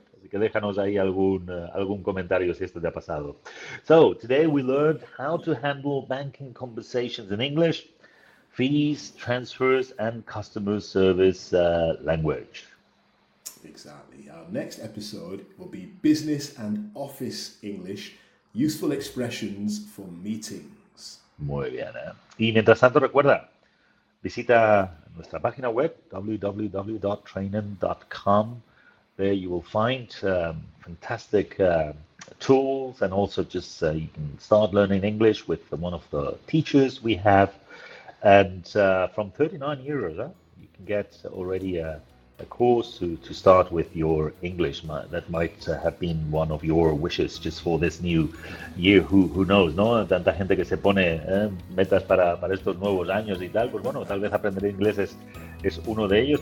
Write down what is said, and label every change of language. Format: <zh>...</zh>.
<es>Así que déjanos ahí algún comentario si esto te ha pasado.</es> <en>So, today we learned how to handle banking conversations in English, fees, transfers, and customer service language. Exactly. Our next episode will be business and office English, useful expressions for meetings.</en> <es>Muy bien, ¿eh? Y mientras tanto, recuerda, visita nuestra página web, www.trainin.com.</es> <en>There you will find fantastic tools and also just you can start learning English with one of the teachers we have. And from 39 euros, you can get already a course to start with your English. That might have been one of your wishes just for this new year. Who knows, ¿no?</en> <es>Tanta gente que se pone metas para estos nuevos años y tal. Pues bueno, tal vez aprender inglés es uno de ellos.</es>